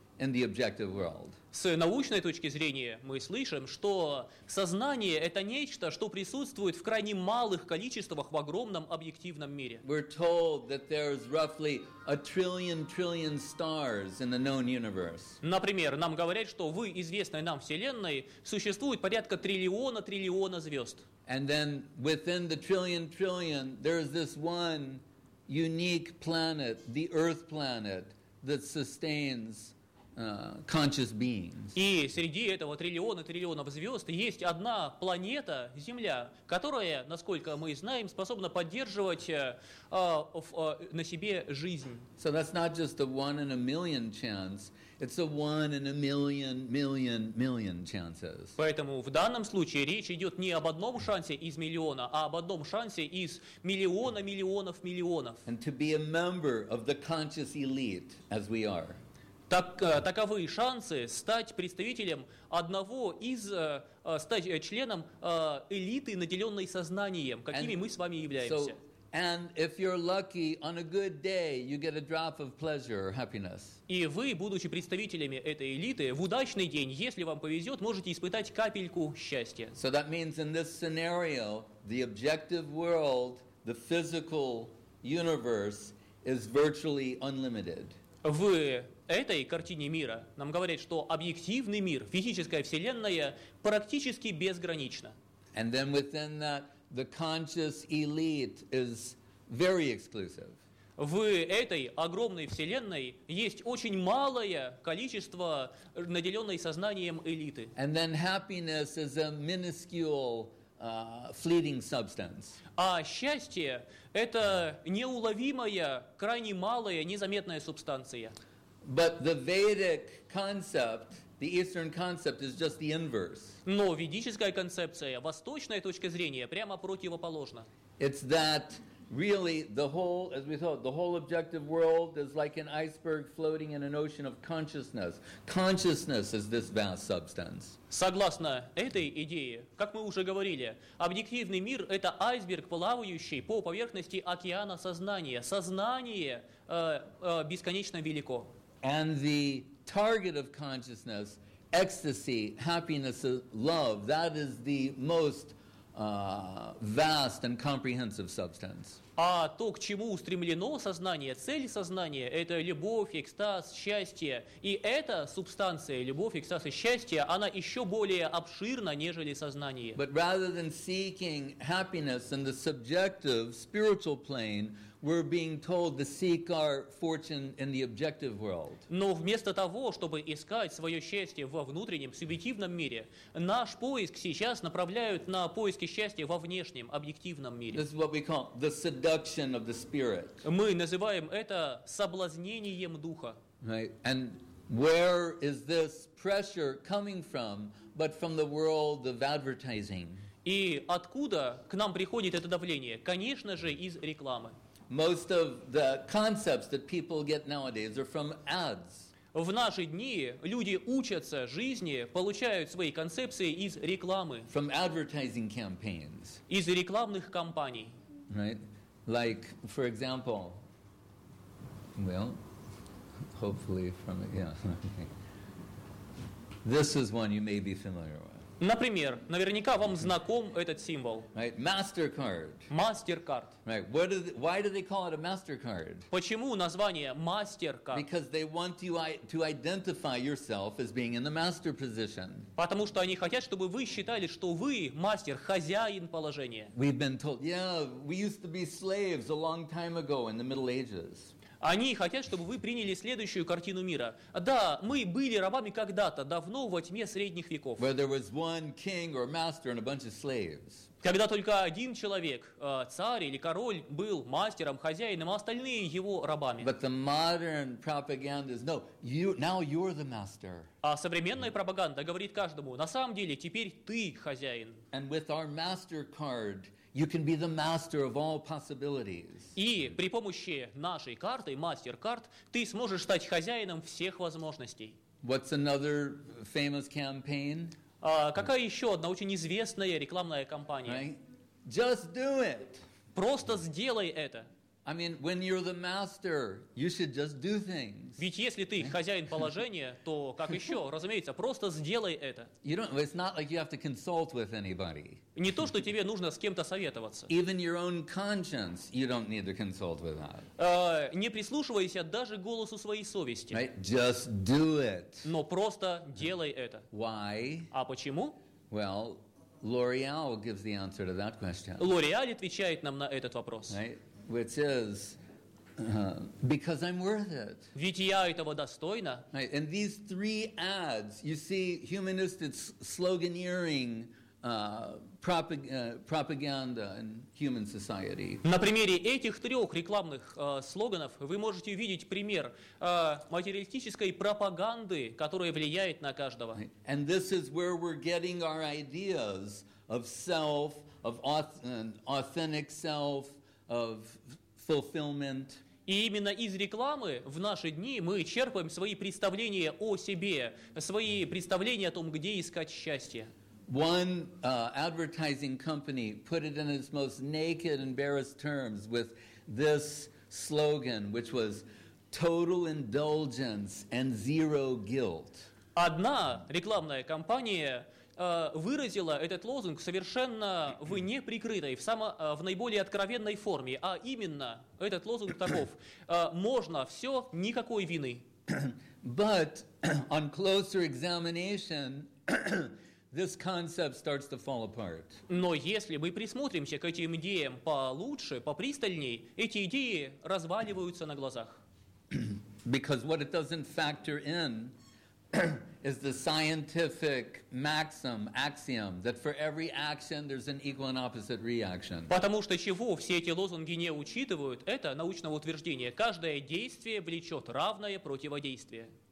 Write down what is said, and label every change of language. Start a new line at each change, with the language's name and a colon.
English: in the objective world.
Russian: С научной точки зрения мы слышим, что сознание — это нечто, что присутствует в крайне малых количествах в огромном объективном мире.
English: We're told that there's roughly a trillion trillion stars in the known universe.
Russian: Например, нам говорят, что в известной нам Вселенной существует порядка триллиона триллиона звезд.
English: And then within the trillion trillion, there's this one unique planet, the Earth planet, that sustains conscious beings.
Russian: И среди этого триллиона триллионов звезд есть одна планета, Земля, которая, насколько мы знаем, способна поддерживать на себе жизнь.
English: So that's not just a one in a million chance. It's a one in a million, million, million chances.
Russian: Поэтому в данном случае речь идет не об одном шансе из миллиона, а об одном шансе из миллиона, миллионов, миллионов.
English: And to be a member of the conscious elite, as we are.
Russian: Таковы шансы стать представителем одного из, стать членом элиты, наделенной сознанием, какими мы с вами являемся.
English: And if you're lucky, on a good day, you get a drop of pleasure or happiness.
Russian: И вы, будучи представителями этой элиты, в удачный день, если вам повезет, можете испытать капельку счастья.
English: So that means in this scenario, the objective world, the physical universe, is virtually unlimited.
Russian: В этой картине мира нам говорят, что объективный мир, физическая вселенная, практически безгранична.
English: And then within that, the conscious elite is very exclusive.
Russian: В этой огромной вселенной есть очень малое количество наделенной сознанием элиты.
English: And then happiness is a minuscule fleeting substance.
Russian: А счастье — это неуловимая, крайне малая, незаметная субстанция.
English: But the Vedic concept, the Eastern concept, is just the inverse.
Russian: Но ведическая концепция, восточная точка зрения, прямо противоположна.
English: It's that really the whole, as we thought, the whole objective world is like an iceberg floating in an ocean of consciousness. Consciousness is this vast substance.
Russian: Согласно этой идее, как мы уже говорили, объективный мир — это айсберг, плавающий по поверхности океана сознания. Сознание бесконечно велико.
English: And the target of consciousness, ecstasy, happiness, love, that is the most vast and comprehensive substance.
Russian: А то, к чему устремлено сознание, цель сознания, это любовь, экстаз, счастье. И эта субстанция, любовь, экстаз и счастье, она еще более обширна, нежели сознание.
English: But rather than seeking happiness in the subjective, spiritual plane, we're being told to seek our fortune in the objective world.
Russian: Но вместо того, чтобы искать свое счастье во внутреннем, субъективном мире, наш поиск сейчас направляют на поиски счастья во внешнем, объективном мире.
English: This is what we call the seduction of the spirit.
Russian: Мы называем это соблазнением духа.
English: Right? And where is this pressure coming from, but from the world of advertising?
Russian: И откуда к нам приходит это давление? Конечно же, из рекламы.
English: Most of the concepts that people get nowadays are from ads.
Russian: В наши дни люди учатся жизни, получают свои концепции из рекламы.
English: From advertising campaigns.
Russian: Из рекламных кампаний.
English: Right? Like, for example, well, hopefully from, yeah. This is one you may be familiar with.
Russian: Например, наверняка вам знаком этот символ.
English: Right, MasterCard.
Russian: MasterCard.
English: Right, what do they, why do they call it a MasterCard?
Russian: Почему название MasterCard?
English: Because they want you to identify yourself as being in the master position.
Russian: Потому что они хотят, чтобы вы считали, что вы мастер, хозяин положения.
English: We've been told, yeah, we used to be slaves a long time ago in the Middle Ages.
Russian: Они хотят, чтобы вы приняли следующую картину мира. Да, мы были рабами когда-то, давно, во тьме средних веков.
English: Where there was one king or master and a bunch of slaves.
Russian: Когда только один человек, царь или король, был мастером, хозяином, а остальные его рабами.
English: But the modern propaganda is, no, you, now you're the master.
Russian: А современная пропаганда говорит каждому, на самом деле, теперь ты хозяин.
English: And with our MasterCard, you can be the master of all possibilities.
Russian: И при помощи нашей карты, MasterCard, ты сможешь стать хозяином всех возможностей.
English: What's another famous campaign?
Russian: Какая еще одна очень известная рекламная кампания?
English: Right? Just do it.
Russian: Просто сделай это.
English: I mean, when you're the master, you should just do things.
Russian: Ведь если ты хозяин положения, то как еще? Разумеется, просто сделай это.
English: You don't, it's not like you have to consult with anybody.
Russian: Не то, что тебе нужно с кем-то советоваться.
English: Even your own conscience, you don't need to consult with that.
Russian: Не прислушивайся даже голосу своей совести.
English: Right? Just do it.
Russian: Но просто делай это.
English: Why?
Russian: А почему?
English: Well, L'Oreal gives the answer to that question.
Russian: L'Oreal отвечает нам на этот вопрос.
English: Right? Which is because I'm worth it.
Russian: Ведь я этого достойна.
English: Right. And these three ads, you see, humanistic sloganeering propaganda in human society.
Russian: На примере этих трех рекламных слоганов вы можете увидеть пример материалистической пропаганды, которая влияет на каждого.
English: Right. And this is where we're getting our ideas of self, of authentic self. Of fulfillment.
Russian: И именно из рекламы в наши дни мы черпаем свои представления о себе, свои представления о том, где искать счастье.
English: One advertising company put it in its most naked and barest terms with this slogan, which was total indulgence and zero guilt.
Russian: Одна рекламная компания выразила этот лозунг совершенно в неприкрытой, в наиболее откровенной форме. А именно, этот лозунг таков. Можно все, никакой вины.
English: But on closer examination, this concept starts to fall apart.
Russian: Но если мы присмотримся к этим идеям получше, попристальней, эти идеи разваливаются на глазах.
English: Because what it doesn't factor in is the scientific maxim, axiom, that for every action there's an equal and opposite reaction.
Russian: Потому что чего все эти лозунги не учитывают, это научное утверждение. Каждое действие влечет равное противодействие.